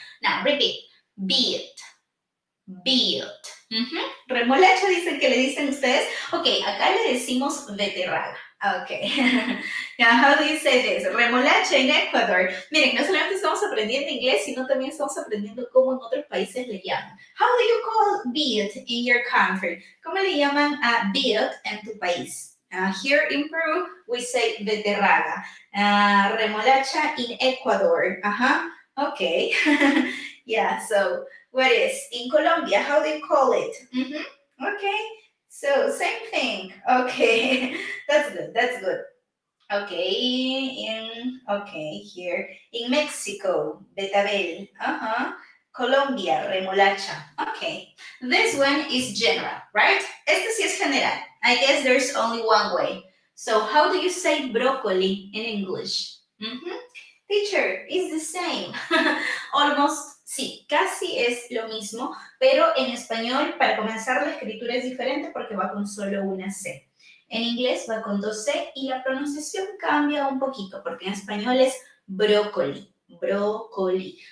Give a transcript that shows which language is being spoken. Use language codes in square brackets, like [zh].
[en] Now, repeat, beet, beet. [es] Remolacha dicen que le dicen ustedes, ok, acá le decimos beterraga, ¿ok? [en] Now, how do you say this? [es] Remolacha en Ecuador. Miren, no solamente estamos aprendiendo inglés, sino también estamos aprendiendo cómo en otros países le llaman. [en] How do you call beet in your country? [es] ¿Cómo le llaman a beet en tu país? [en] Here in Peru, we say beterraga. Remolacha in Ecuador. Okay. Yeah, so what is in Colombia? How do you call it? Okay. So same thing. Okay. That's good. That's good. Okay. Here. In Mexico, betabel. Colombia, remolacha. Okay. This one is general, right? [es] Este sí es general. [en] I guess there's only one way. So, how do you say broccoli in English? Teacher, it's the same. [es] Almost, sí, casi es lo mismo, pero en español, para comenzar, la escritura es diferente porque va con solo una C. En inglés va con dos C y la pronunciación cambia un poquito porque en español es broccoli, broccoli.